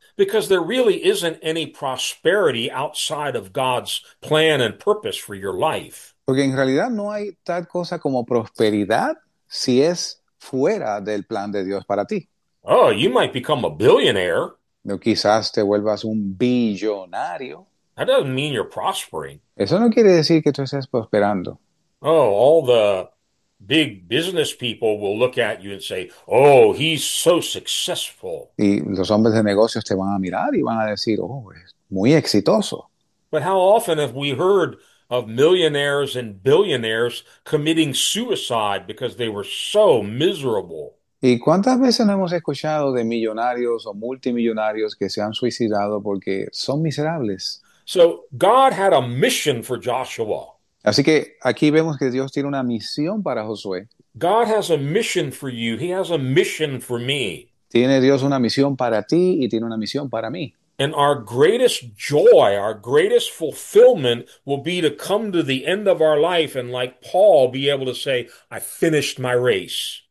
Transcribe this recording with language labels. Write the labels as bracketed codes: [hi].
[en] Because there really isn't any prosperity outside of God's plan and purpose for your life. [es] Porque en realidad no hay tal cosa como prosperidad si es fuera del plan de Dios para ti. [en] Oh, you might become a billionaire. [es] No, quizás te vuelvas un billonario. [en] That doesn't mean you're prospering. [es] Eso no quiere decir que tú estés prosperando. [en] Oh, all the big business people will look at you and say, oh, he's so successful. [es] Y los hombres de negocios te van a mirar y van a decir, oh, es muy exitoso. [en] But how often have we heard of millionaires and billionaires committing suicide because they were so miserable. [es] ¿Y cuántas veces no hemos escuchado de millonarios o multimillonarios que se han suicidado porque son miserables? [en] So God had a mission for Joshua. [es] Así que aquí vemos que Dios tiene una misión para Josué. [en] God has a mission for you. He has a mission for me. [es] Tiene Dios una misión para ti y tiene una misión para mí. [en] And our greatest joy, our greatest fulfillment will be to come to the end of our life and, like Paul, be able to say, I finished my race.